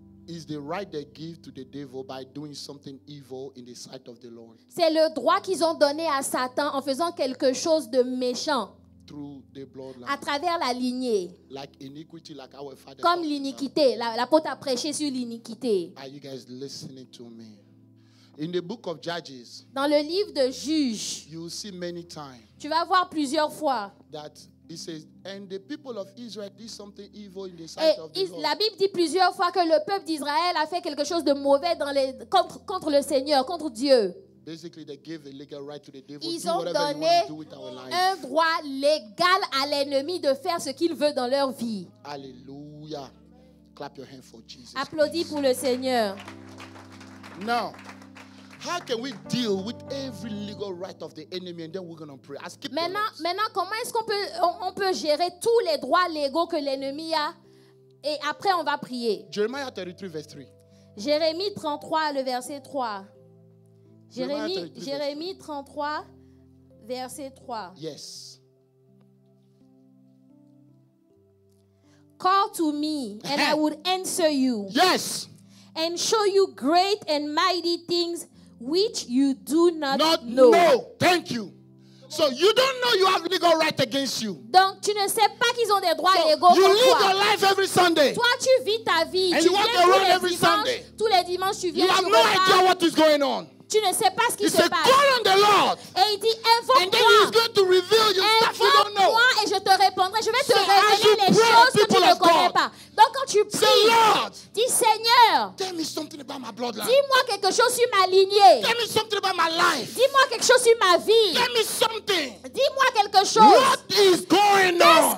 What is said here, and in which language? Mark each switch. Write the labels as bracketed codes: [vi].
[en] Is the right they give to the devil by doing something evil in the sight of the Lord. [fr] C'est le droit qu'ils ont donné à Satan en faisant quelque chose de méchant. [en] Through the bloodline. [fr] À travers la lignée. [en] Like iniquity, like our father. [fr] Comme l'iniquité, l'apôtre a prêché sur l'iniquité. [en] Are you guys listening to me? In the book of Judges, [fr] dans le livre de Juges, [en] you see many times, [fr] tu vas voir plusieurs fois [en] that it says, and the people of Israel did something evil in the sight [fr] et [en] of the Lord. [fr] La Bible dit plusieurs fois que le peuple d'Israël a fait quelque chose de mauvais dans les, contre le Seigneur, contre Dieu. [en] Basically, they gave a legal right to the devil [fr] ils [en] to [fr] ont donné [en] to do with our life. [fr] Un droit légal à l'ennemi de faire ce qu'il veut dans leur vie. [en] Alléluia. Clap your hand for Jesus. [fr] Applaudis Christ. Pour le Seigneur. [en] Now, how can we deal with every legal right of the enemy and then we're going to pray? [fr] Maintenant, comment est-ce qu'on peut on peut gérer tous les droits légaux que l'ennemi a et après on va prier. [en] Jeremiah 33 verse 3. [fr] Jérémie 33 le verset 3. Jérémie 33 verset 3. [en] Yes. Call to me and I would answer you. Yes. And show you great and mighty things which you do not know. No, thank you. So you don't know you have legal right against you. [fr] Donc tu ne sais pas qu'ils ont des droits légaux contre toi. [en] You live your life every Sunday. [fr] Toi tu vis ta vie. [en] And you walk around every Sunday. [fr] Tous les dimanches tu viens. [en] You have no idea what is going on. [fr] Tu ne sais pas ce qui se passe. [en] Call on the Lord. [fr] Et il dit invoque-moi. [en] And then he's going to reveal you stuff you don't know. [fr] Et je te répondrai. Je vais te révéler les choses que tu ne connais pas. Donc quand tu pries, dis Seigneur, [en] tell me something about my bloodline. [fr] Dis-moi quelque chose sur ma lignée. [en] Tell me something about my life. [fr] Dis-moi quelque chose sur ma vie. [en] Tell me something. [fr] Dis-moi quelque chose. [en] What is going on?